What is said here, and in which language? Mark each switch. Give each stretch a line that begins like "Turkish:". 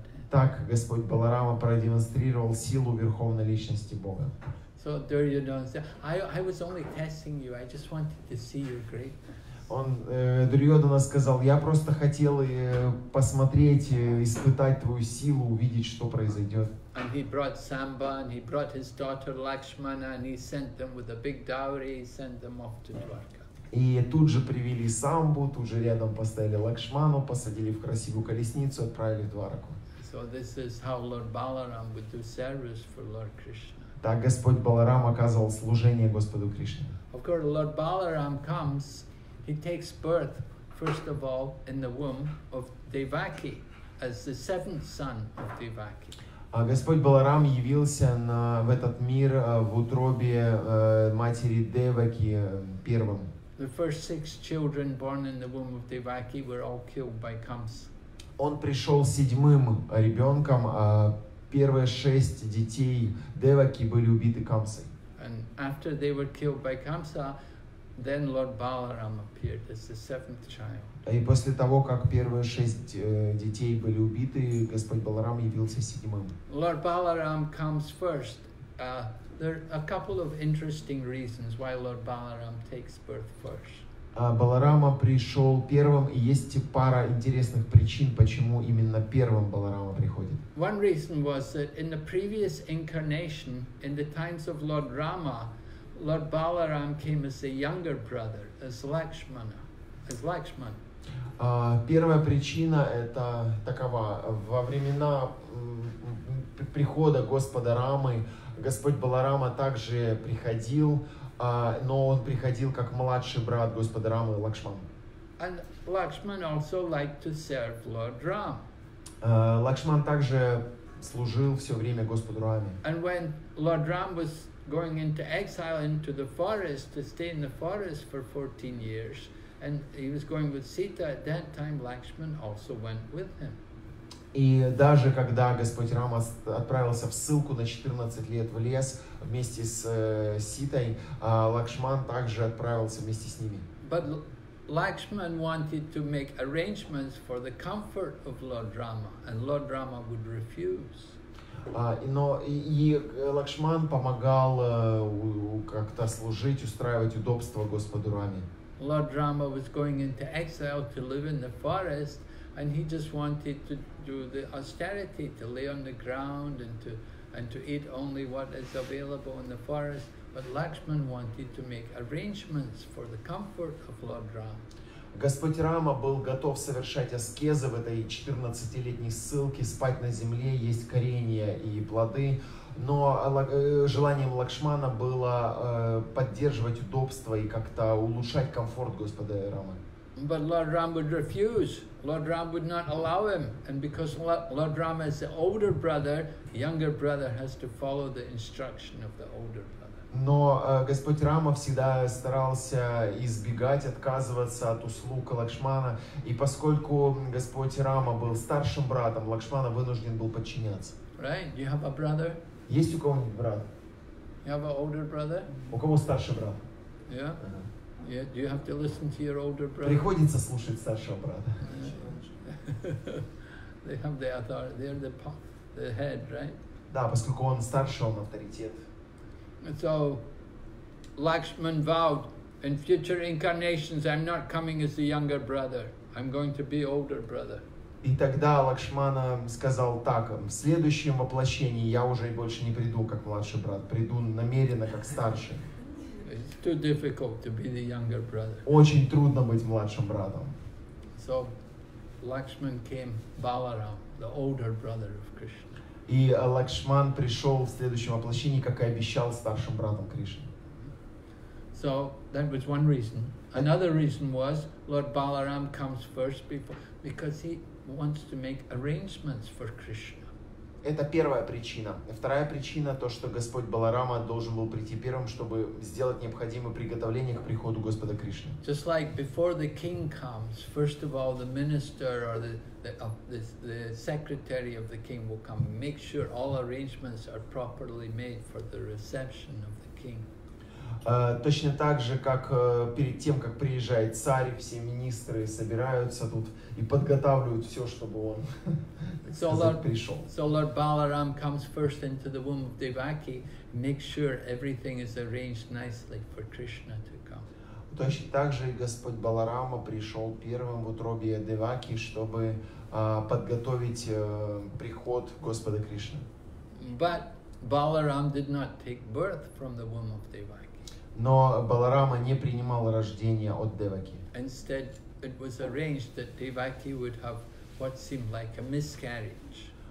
Russian: Так Господь Баларама продемонстрировал силу Верховной Личности Бога.
English: So Duryodhana said, I was only testing you, I just wanted to see your great.
Russian: Он Дурьёдана сказал: «Я просто хотел посмотреть, испытать твою силу, увидеть, что произойдет».
English: And he brought Samba, and he brought his daughter Lakshmana, and he sent them with a big dowry, he sent them off to Dwarka.
Russian: И тут же привели Самбу, тут же рядом поставили Лакшману, посадили в красивую колесницу, отправили в Двараку.
English: So this is how Lord Balaram would do service for Lord Krishna.
Russian: Так Господь Баларам оказывал служение Господу Кришне.
English: Of course, Lord Balaram comes. He takes birth, first of all, in the womb of Devaki, as the seventh son of Devaki.
Russian: Господь Баларам явился в этот мир в утробе матери Деваки первым.
English: The first six children born in the womb of Devaki were all killed by Kamsa.
Russian: Он пришел седьмым ребенком, а первые шесть детей Деваки были убиты Камсой.
English: And after they were killed by Kamsa, then Lord Balaram appeared as the seventh child.
Russian: И после того, как первые шесть детей были убиты, Господь Баларам явился седьмым.
English: Lord Balaram comes first. There are a couple of interesting reasons why Lord Balaram takes birth first.
Russian: Баларама пришел первым, и есть пара интересных причин, почему именно первым Баларама приходит.
English: One reason was that in the previous incarnation, in the times of Lord Rama, Lord Balaram came as the younger brother, as Lakshmana, as Lakshman.
Russian: Первая причина это такова: во времена прихода Господа Рамы, Господь Баларама также приходил, но он приходил как младший брат Господа Рамы, Лакшман.
English: And Lakshman also liked to serve Lord Ram.
Russian: Лакшман также служил все время Господу Раме.
English: And when Lord Ram was going into exile into the forest to stay in the forest for 14 years, and he was going with Sita, at that time Lakshman also went with him.
Russian: И даже когда Господь Рама отправился в ссылку на 14 лет в лес вместе с Ситой, Лакшман также отправился вместе с ними.
English: But Lakshman wanted to make arrangements for the comfort of Lord Rama, and Lord Rama would refuse.
Russian: Но Лакшман помогал как-то служить, устраивать удобства Господу Раме.
English: Lord Rama was going into exile to live in the forest, and he just wanted to do the austerity, to lay on the ground and to eat only what is available in the forest. But Lakshman wanted to make arrangements for the comfort of Lord Rama.
Russian: Господь Рама был готов совершать аскезы в этой 14-летней ссылке, спать на земле, есть коренья и плоды, но желанием Лакшмана было поддерживать удобство и как-то улучшать комфорт Господа Рамы.
English: But Lord Ram would refuse. Lord Ram would not allow him. And because Lord Ram is the older brother, the younger brother has to follow the instruction of the older brother.
Russian: Но Господь Рама всегда старался избегать, отказываться от услуг Лакшмана. И поскольку Господь Рама был старшим братом, Лакшмана вынужден был подчиняться.
English: Right. You have a brother?
Russian: Есть у кого-нибудь брат?
English: You have an older brother?
Russian: У кого старший брат? Yeah. Uh-huh. Yeah.
English: Do you have to listen to your older brother?
Russian: Приходится слушать старшего брата.
English: They have the authority. They're the head, right?
Russian: Да, поскольку он старше, он авторитет.
English: And so Lakshman vowed, in future incarnations, I'm not coming as the younger brother. I'm going to be older brother.
Russian: И тогда Лакшмана сказал так: в следующем воплощении я уже больше не приду как младший брат, приду намеренно как старший.
English: It's too difficult to be the younger brother.
Russian: Очень трудно быть младшим братом.
English: So Lakshman came Balaram, the older brother of Krishna.
Russian: И Лакшман пришел в следующем воплощении, как и обещал старшим братом Кришне.
English: So that was one reason. Another reason was Lord Balaram comes first before because he wants to make arrangements for Krishna.
Russian: Это первая причина. Вторая причина то, что Господь Баларама должен был прийти первым, чтобы сделать необходимые приготовления к приходу Господа Кришны.
English: Just like before the king comes, first of all the minister or the secretary of the king will come, make sure all arrangements are properly made for the reception of the king.
Russian: Точно так же, как перед тем, как приезжает царь, все министры собираются тут и подготавливают все, чтобы он пришел.
English: So Lord Balaram comes first into the womb of Devaki, make sure everything is arranged nicely for Krishna to come.
Russian: Точно так же и Господь Баларама пришел первым в утробе Деваки, чтобы подготовить приход Господа Кришны.
English: But Balaram did not take birth from the womb of Devaki.
Russian: Но Баларама не принимал рождения от Деваки.
English: Instead, it was arranged that Devaki would have what seemed like a miscarriage.